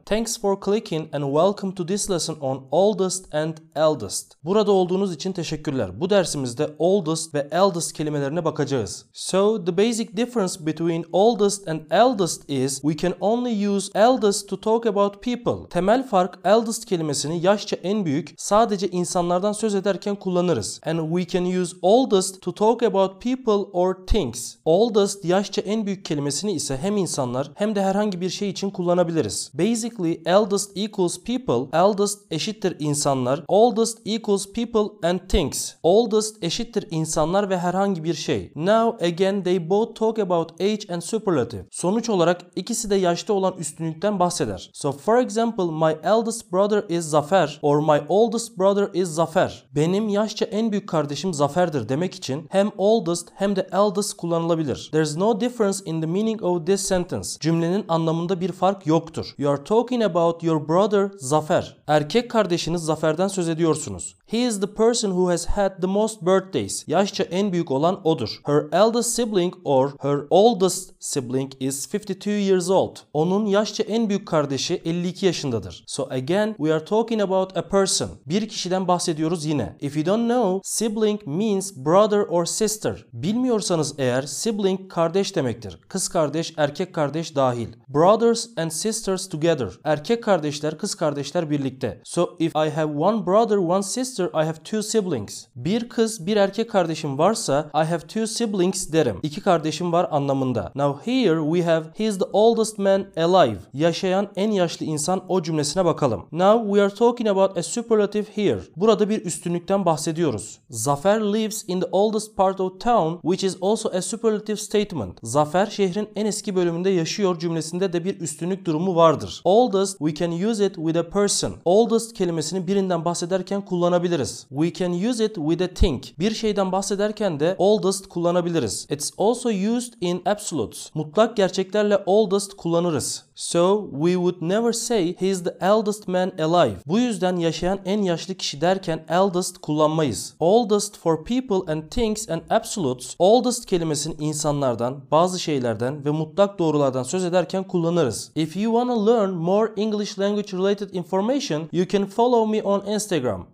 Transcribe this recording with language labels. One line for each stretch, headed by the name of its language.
English: Thanks for clicking and welcome to this lesson on oldest and eldest.
Turkish: Burada olduğunuz için teşekkürler. Bu dersimizde oldest ve eldest kelimelerine bakacağız.
English: So, the basic difference between oldest and eldest is we can only use eldest to talk about people.
Turkish: Temel fark, eldest kelimesini yaşça en büyük, sadece insanlardan söz ederken kullanırız.
English: And we can use oldest to talk about people or things.
Turkish: Oldest, yaşça en büyük kelimesini ise hem insanlar hem de herhangi bir şey için kullanabiliriz.
English: Basically, eldest equals people,
Turkish: eldest eşittir insanlar,
English: oldest equals people and things.
Turkish: Oldest eşittir insanlar ve herhangi bir şey.
English: Now, again, they both talk about age and superlative.
Turkish: Sonuç olarak ikisi de yaşta olan üstünlükten bahseder.
English: So, for example, my eldest brother is Zafer or my oldest brother is Zafer.
Turkish: Benim yaşça en büyük kardeşim Zafer'dir demek için hem oldest hem de eldest kullanılabilir.
English: There's no difference in the meaning of this sentence.
Turkish: Cümlenin anlamında bir fark yoktur.
English: You are talking about your brother Zafer.
Turkish: Erkek kardeşiniz Zafer'den söz ediyorsunuz.
English: He is the person who has had the most birthdays.
Turkish: Yaşça en büyük olan odur.
English: Her eldest sibling or her oldest sibling is 52 years old.
Turkish: Onun yaşça en büyük kardeşi 52 yaşındadır.
English: So again, we are talking about a person.
Turkish: Bir kişiden bahsediyoruz yine.
English: If you don't know, sibling means brother or sister.
Turkish: Bilmiyorsanız eğer, sibling kardeş demektir. Kız kardeş, erkek kardeş dahil.
English: Brothers and sisters together.
Turkish: Erkek kardeşler, kız kardeşler birlikte.
English: So if I have one brother, one sister, I have two siblings.
Turkish: Bir kız, bir erkek kardeşim varsa
English: I have two siblings
Turkish: derim. İki kardeşim var anlamında.
English: Now here we have he is the oldest man alive.
Turkish: Yaşayan en yaşlı insan o cümlesine bakalım.
English: Now we are talking about a superlative here.
Turkish: Burada bir üstünlükten bahsediyoruz.
English: Zafer lives in the oldest part of town, which is also a superlative statement.
Turkish: Zafer şehrin en eski bölümünde yaşıyor cümlesinde de bir üstünlük durumu vardır.
English: Oldest, we can use it with a person.
Turkish: Oldest kelimesini birinden bahsederken kullan.
English: We can use it with a thing.
Turkish: Bir şeyden bahsederken de oldest kullanabiliriz.
English: It's also used in absolutes.
Turkish: Mutlak gerçeklerle oldest kullanırız.
English: So, we would never say he is the eldest man alive.
Turkish: Bu yüzden yaşayan en yaşlı kişi derken eldest kullanmayız.
English: Oldest for people and things and absolutes,
Turkish: oldest kelimesini insanlardan, bazı şeylerden ve mutlak doğrulardan söz ederken kullanırız.
English: If you wanna learn more English language related information, you can follow me on Instagram.